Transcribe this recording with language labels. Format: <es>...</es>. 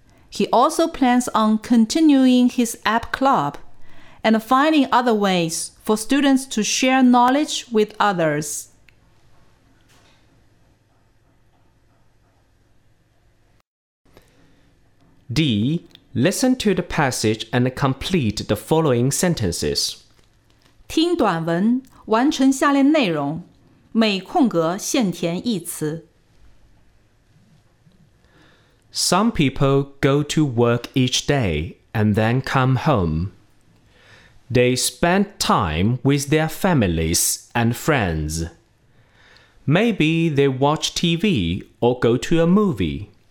<en>He also plans on continuing his app club and finding other ways for students to share knowledge with others. D. Listen to the passage and complete the following sentences.</en> <zh>听短文，完成下列内容，每空格限填一词。</zh> <en>Some people go to work each day and then come home. They spend time with their families and friends. Maybe they watch TV or go to a movie.</en>